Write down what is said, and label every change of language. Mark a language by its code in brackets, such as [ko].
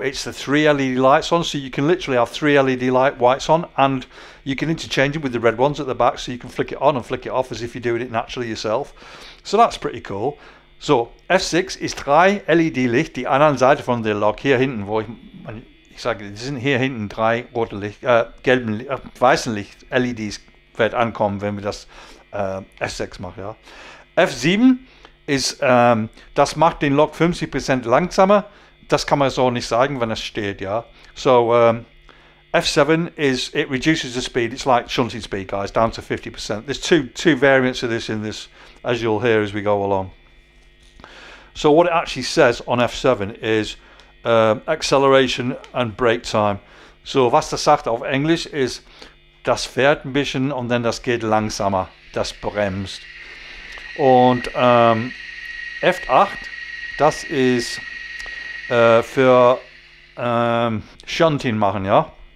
[en] It's the three LED lights on, so you can literally have three LED light whites on, and you can interchange it with the red ones at the back, so you can flick it on and flick it off as if you're doing it naturally yourself. So that's pretty cool. [de] So F6 is drei LED Licht, die anderen Seite von der Lok, hier hinten, wo ich sage, die sind hier hinten drei rote Licht, gelben, weißen Licht, LEDs wird ankommen, wenn wir das F6 machen. Ja. F7 ist, das macht den Lok 50% langsamer. Das kann man so nicht sagen, wenn es steht, ja. [en] So, F7 is, it reduces the speed. It's like shunting speed, guys, down to 50%. There's two variants of this in this, as you'll hear as we go along. So what it actually says on F7 is acceleration and brake time. [de] So was das sagt auf Englisch ist, das fährt ein bisschen und dann das geht langsamer. Das bremst. Und F8, das ist für Shunting machen, ja.